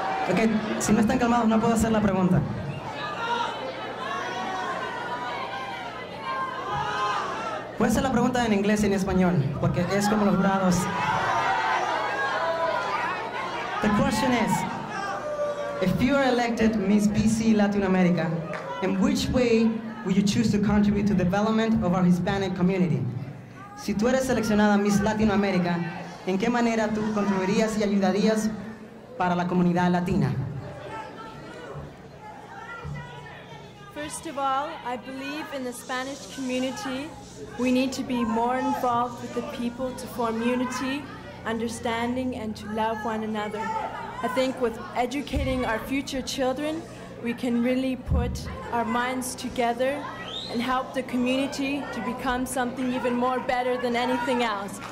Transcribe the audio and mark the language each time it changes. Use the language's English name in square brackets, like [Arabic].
[Spanish] Okay, si no están calmados, no puedo hacer la pregunta. Puedo hacer la pregunta en inglés y en español, porque es como los jurados. [English] The question is, if you are elected Miss BC Latin America, in which way would you choose to contribute to the development of our Hispanic community? [Spanish] Si tú eres seleccionada Miss Latinoamérica, ¿en qué manera tú contribuirías y ayudarías para la comunidad latina? [English] For First of all, I believe in the Spanish community. We need to be more involved with the people to form unity, understanding, and to love one another. I think with educating our future children, we can really put our minds together and help the community to become something even more better than anything else.